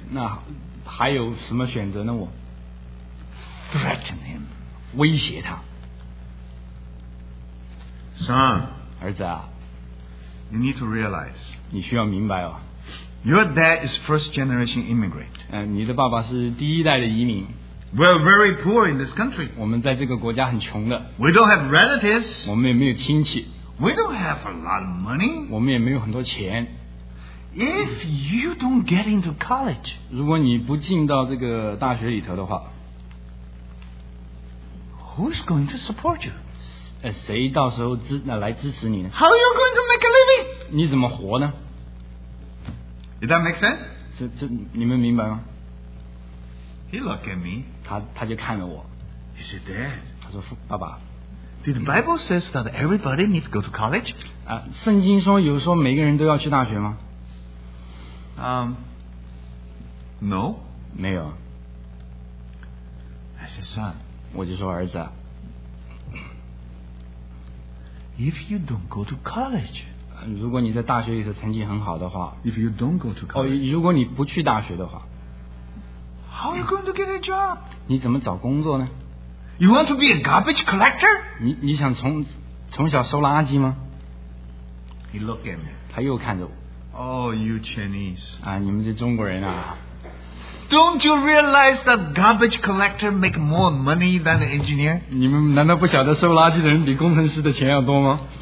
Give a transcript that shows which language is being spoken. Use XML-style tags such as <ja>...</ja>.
<zh>那还有什么选择呢？我</zh> <en>threaten him,</en> <zh>威胁他。</zh> <en>Son,</en> <zh>儿子啊</zh> <en>，you need to realize.</en> <zh>你需要明白哦。</zh> <en>Your dad is first generation immigrant.</en> <zh>你的爸爸是第一代的移民。</zh> <en>We're very poor in this country.</en> <zh>我们在这个国家很穷的。</zh> <en>We don't have relatives.</en> <zh>我们也没有亲戚。</zh> <en>We don't have a lot of money.</en> <zh>我们也没有很多钱。</zh> <en>If you don't get into college,</en> <zh>如果你不进到这个大学里头的话</zh> <en>，Who's going to support you?</en> <zh>谁到时候支那来支持你呢</zh> <en>？How are you going to make a living?</en> <zh>你怎么活呢</zh> <en>？Did that make sense?</en> <zh>这你们明白吗</zh> <en>？He looked at me.</en> <zh>他就看着我。</zh> <en>He said, "Dad."</en> <zh>他说爸爸。</zh> <en>Did the Bible says that everybody needs to go to college?</en> <zh>圣经说有说每个人都要去大学吗？</zh> <en>No.</en> <zh>没有。</zh> <en>I said, son.</en> <zh>我就说儿子。</zh> <en>If you don't go to college.</en> <zh>如果你在大学里头成绩很好的话。</zh> <en>If you don't go to college.</en> <zh>如果你不去大学的话。</zh> <en>How are you going to get a job?</en> <zh>你怎么找工作呢？</zh> <en>You want to be a garbage collector?</en> <zh>你想从小收垃圾吗？</zh> <en>He looked at me.</en> <zh>他又看着我。</zh> <en>Oh, you Chinese.</en> <zh>你们这中国人啊。</zh> <en>Don't you realize that garbage collector make more money than an engineer?</en> <zh>你们难道不晓得收垃圾的人比工程师的钱要多吗？</zh>